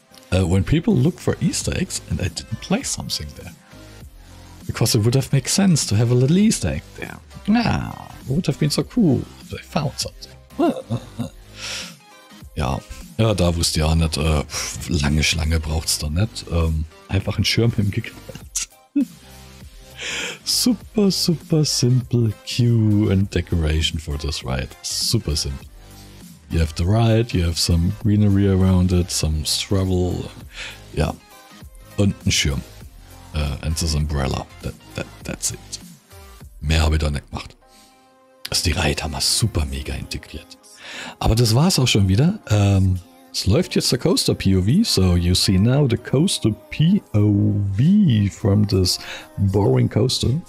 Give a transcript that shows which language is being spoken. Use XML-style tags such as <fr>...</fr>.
<en>When people look for Easter eggs and I didn't place something there. Because it would have made sense to have a little Easter egg there. Yeah, it would have been so cool if they found something.</en> <de>Ja, da wusste ich auch nicht, lange Schlange braucht's da nicht. Einfach einen Schirm hingeknallt.</de> <en>Super, super simple queue and decoration for this ride. Super simple. You have the ride, you have some greenery around it, some stubble.</en> <de>Ja, und ein Schirm.</de> <en>And this umbrella. That's it.</en> <de>Mehr habe ich da nicht gemacht. Also die Reihe haben wir super mega integriert. Aber das war's auch schon wieder. Es läuft jetzt der Coaster POV.</de> <en>So you see now the Coaster POV from this boring coaster.</en>